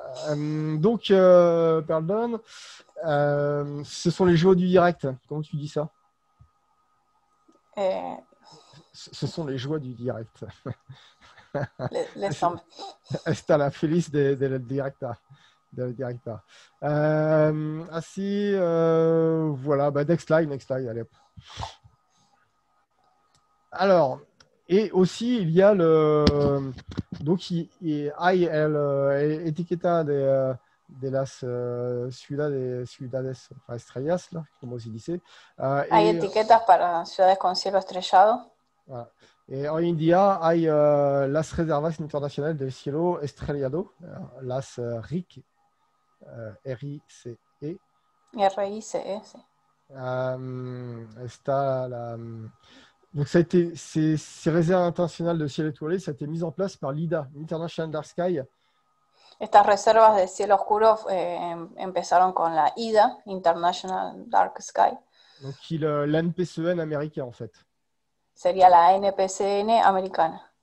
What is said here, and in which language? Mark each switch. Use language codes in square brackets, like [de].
[fr] Donc, pardon, ce sont les joies du direct. Comment tu dis ça? Ce sont les joies du direct. [es] Está la feliz del directa. [fr] Así, voilà, bah, [en] next slide, [fr] allez hop. Alors, et aussi, il y a le... Donc, [es] hay el etiqueta de las ciudades estrellas, [fr] là, comme vous y disiez. [es] Hay etiquetas para ciudades con cielo estrellado. [fr] Voilà. Et en [es] India, hay las reservas internacionales del cielo estrellado, las RIC, R-I-C-E. R-I-C-E, sí. Está la... [fr] Donc, ça a été, ces réserves internationales de ciel étoilé, ça a été mis en place par l'IDA, International Dark Sky. [es] Estas reservas de cielo oscuro empezaron con la IDA, International Dark Sky. [fr] Donc, l'NPCN américain, en fait. [es] Sería la NPCN americana.